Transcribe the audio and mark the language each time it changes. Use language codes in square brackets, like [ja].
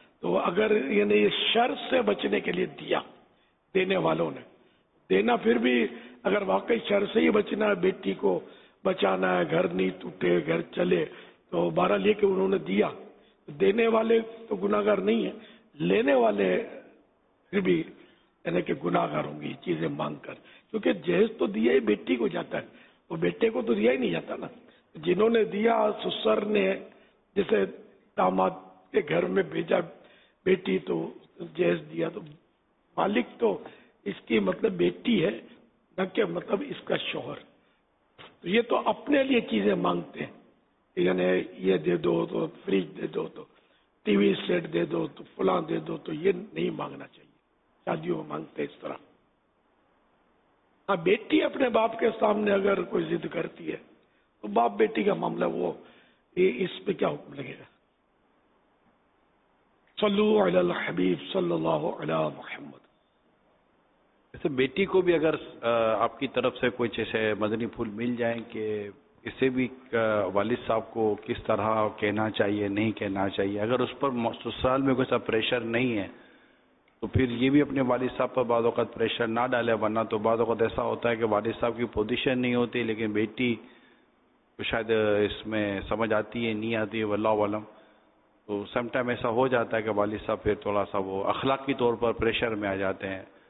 [ur] تو اگر یعنی شر سے بچنے کے لیے دیا دینے والوں نے دینا, پھر بھی اگر واقعی شر سے ہی بچنا ہے, بیٹی کو بچانا ہے, گھر نہیں ٹوٹے گھر چلے, تو بارہ لے کے انہوں نے دیا, دینے والے تو گناہگار نہیں ہیں, لینے والے پھر بھی یعنی کہ گناہگار ہوں گی چیزیں مانگ کر, کیونکہ جہیز تو دیا ہی بیٹی کو جاتا ہے, وہ بیٹے کو تو دیا ہی نہیں جاتا نا. جنہوں نے دیا سسر نے جسے داماد کے گھر میں بھیجا بیٹی تو جہیز دیا, تو مالک تو اس کی مطلب بیٹی ہے نہ کہ مطلب اس کا شوہر. تو یہ تو اپنے لیے چیزیں مانگتے ہیں, یعنی یہ دے دو تو فریج دے دو تو ٹی وی سیٹ دے دو تو فلاں دے دو, تو یہ نہیں مانگنا چاہیے, شادیوں میں مانگتے اس طرح. ہاں بیٹی اپنے باپ کے سامنے اگر کوئی ضد کرتی ہے تو باپ بیٹی کا معاملہ, وہ اس پہ کیا حکم لگے گا. [ar] صلو علی الحبیب صلی اللہ علی محمد. [ur] ایسے بیٹی کو بھی اگر آپ کی طرف سے کوئی جیسے مدنی پھول مل جائیں کہ اسے بھی والد صاحب کو کس طرح کہنا چاہیے نہیں کہنا چاہیے, اگر اس پر سسرال میں کوئی سا پریشر نہیں ہے تو پھر یہ بھی اپنے والد صاحب پر بعض اوقات پریشر نہ ڈالے, ورنہ تو بعض اوقات ایسا ہوتا ہے کہ والد صاحب کی پوزیشن نہیں ہوتی لیکن بیٹی کو شاید اس میں سمجھ آتی ہے نہیں آتی ہے واللہ اعلم, تو سم ٹائم ایسا ہو جاتا ہے کہ والد صاحب پھر تھوڑا سا وہ اخلاقی طور پر پریشر میں آ جاتے ہیں.